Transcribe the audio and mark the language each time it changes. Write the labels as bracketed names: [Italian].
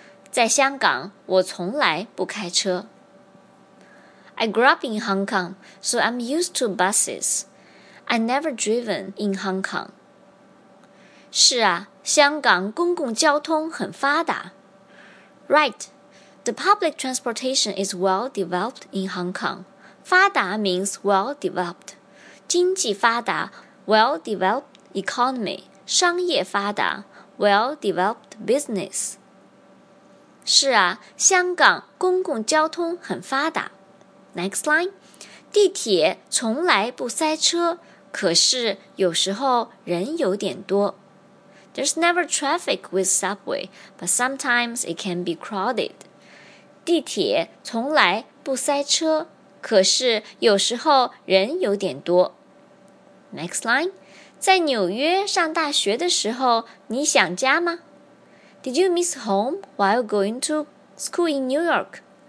[Chinese] 在香港,我从来不开车。 [English] I grew up in Hong Kong, so I'm used to buses. I've never driven in Hong Kong. [Chinese] 是啊,香港公共交通很发达。 [English] Right. The public transportation is well developed in Hong Kong. 发达 means well developed. [Chinese] 经济发达 [English] well developed economy. [Chinese] 商业发达 [English] well developed business. [Chinese] 是啊，香港公共交通很发达。 [English] Next line. [Chinese] 地铁从来不塞车，可是有时候人有点多。 [English] There's never traffic with subway, but sometimes it can be crowded. [Chinese] 地铁从来不塞车，可是有时候人有点多。 [English] Next line. [Chinese] 在纽约上大学的时候，你想家吗? [English] Did you miss home while going to school in New York?